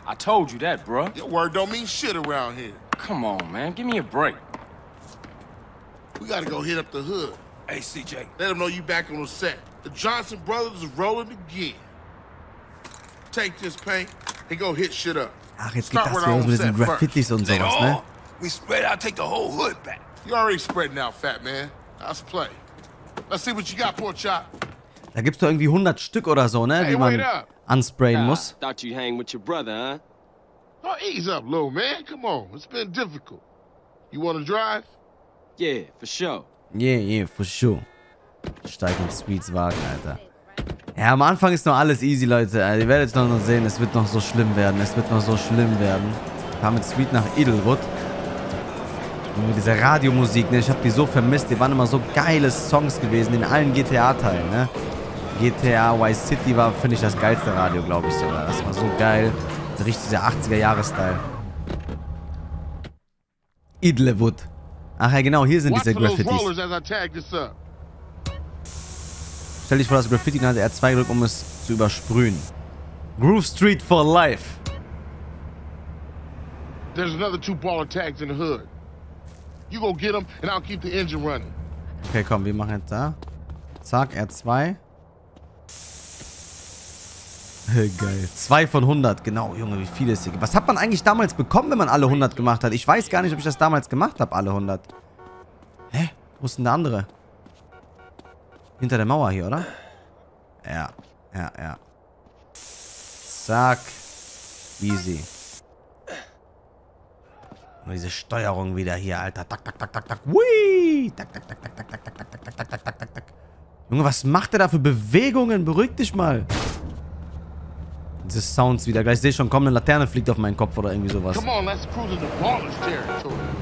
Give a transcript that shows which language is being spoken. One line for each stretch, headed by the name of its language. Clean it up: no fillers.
English: I told you that, bro. Your word don't mean shit around here. Come on, man. Give me a break. We gotta go hit up the hood. Hey, CJ. Let them know you back on the set. The Johnson brothers are rolling again. Take this paint and go hit shit up.
German: Ach, jetzt geht das hier mit diesen Graffitis und sowas, ne?
English: We spread out, take the whole hood back. You already spreading out, fat man. Let's play. Let's see what you got, poor chap.
German: Da gibt's doch irgendwie 100 Stück oder so, ne? Die man ansprayen muss.
English: Thought you hang with your brother, huh? Oh, ease up, little man. Come on. It's been difficult. You wanna drive? Yeah, for sure. Yeah, yeah, for sure.
German: Steig in Sweets Wagen, Alter. Ja, am Anfang ist noch alles easy, Leute. Also, ihr werdet es noch sehen, es wird noch so schlimm werden. Es wird noch so schlimm werden. Ich fahre mit Sweet nach Idlewood. Und diese Radiomusik, ne? Ich habe die so vermisst. Die waren immer so geile Songs gewesen in allen GTA-Teilen, ne? GTA Vice City war, finde ich, das geilste Radio, glaube ich sogar. Das war so geil. Richtig der 80er-Jahre-Style. Idlewood. Ach ja, genau, hier sind diese Graffitis. Stell dich vor, das Graffiti, dann hat er zwei Glück, um es zu übersprühen.
English: Groove Street for life. There's another two baller tags in the hood. You go get them and I'll keep the engine running.
German: Okay, komm, wir machen jetzt da. Zack, R2. Geil. 2 von 100, genau. Junge, wie viele ist hier? Was hat man eigentlich damals bekommen, wenn man alle 100 gemacht hat? Ich weiß gar nicht, ob ich das damals gemacht habe, alle 100. Hä? Wo ist denn der andere? Hinter der Mauer hier, oder? Ja, ja, ja. Zack. Easy. Nur diese Steuerung wieder hier, Alter. Tak, tak, tak, tak, tak. Whee! Tak, tak, tak, tak, tak, tak, tak, tak, tak, tak, tak, tak, tak, tak. Junge, was macht der da für Bewegungen? Beruhig dich mal. Diese Sounds wieder. Gleich sehe ich schon, komm, eine Laterne fliegt auf meinen Kopf oder irgendwie sowas.
English: Come on, let's cruise in the Ballers territory.